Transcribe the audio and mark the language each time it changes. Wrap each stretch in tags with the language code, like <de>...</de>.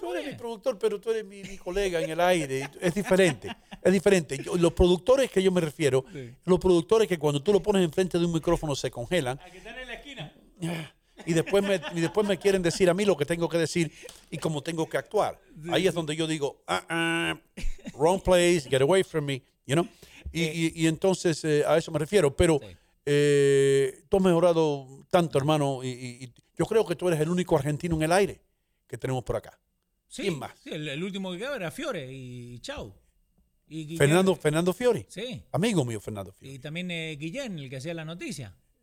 <es>bien. Tú eres mi productor, pero tú eres mi colega en el aire. Es diferente, es diferente. Yo, los productores que yo me refiero, sí. Los productores que cuando tú lo pones enfrente de un micrófono se congelan. Hay que estar en la esquina. Y después me quieren decir a mí lo que tengo que decir y cómo tengo que actuar. Sí. Ahí es donde yo digo,</es> <en>wrong place, get away from me, you know.</en> <es>Y entonces a eso me refiero, pero... Sí. Tú has mejorado tanto, hermano, y yo creo que tú eres el único argentino en el aire que tenemos por acá. Sí, ¿quién más? Sí, el último que quedaba era Fiore y chao. Y Fernando, Fernando Fiore. Sí. Amigo mío, Fernando Fiore. Y también Guillén, el que hacía la noticia.</es>